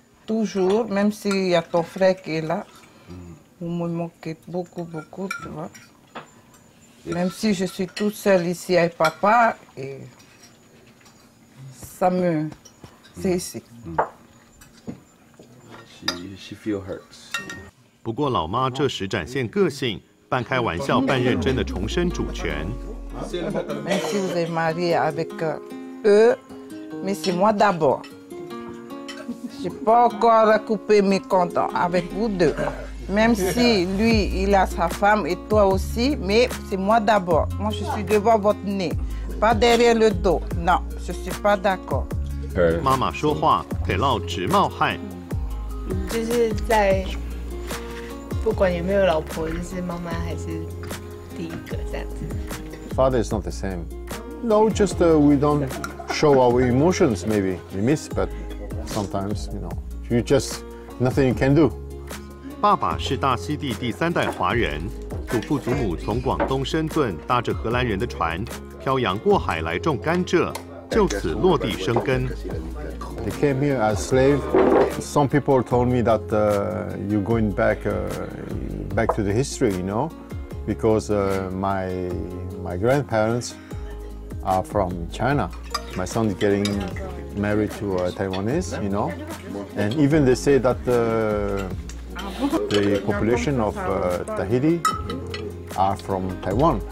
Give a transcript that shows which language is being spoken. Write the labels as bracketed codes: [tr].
[fr] Toujours, même si y a ton frère qui est là, vous me manquez beaucoup, beaucoup, tu vois. Même si je suis toute seule ici avec papa, et ça me, c'est ici. [en] She feels hurt. [zh] 不过老妈这时展现个性，半开玩笑半认真的重申主权。 [fr] Merci de Marie avec eux, mais c'est moi d'abord. J'ai pas encore coupé mes comptes avec vous deux. Même si lui il a sa femme et toi aussi, mais c'est moi d'abord. Moi je suis devant votre nez, pas derrière le dos. Non, je suis pas d'accord. [zh] 妈妈说话，佩洛直冒汗。就是在不管有没有老婆，就是妈妈还是第一个这样子。 [en] Father is not the same. No, just we don't show our emotions. Maybe we miss, but sometimes you know, you just nothing you can do. [zh] 爸爸是大溪地第三代华人，祖父祖母从广东深圳搭着荷兰人的船漂洋过海来种甘蔗，就此落地生根。 [en] They came here as slave. Some people told me that you're going back, back to the history, you know, because my grandparents are from China. My son is getting married to a Taiwanese, you know, and even they say that the population of Tahiti are from Taiwan.